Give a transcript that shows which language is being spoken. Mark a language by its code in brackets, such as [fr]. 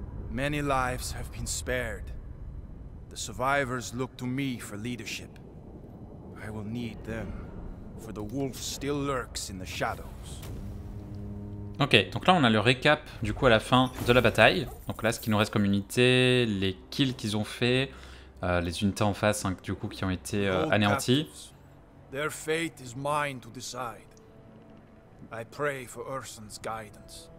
[en] Many lives have been spared. The survivors look to me for leadership. I will need them, for the wolf still lurks in the shadows. [fr] Ok, donc là on a le récap du coup à la fin de la bataille. Donc là ce qui nous reste comme unité, les kills qu'ils ont fait, les unités en face hein, du coup qui ont été anéanties. [en] Their fate is mine to decide. I pray for Urson's guidance.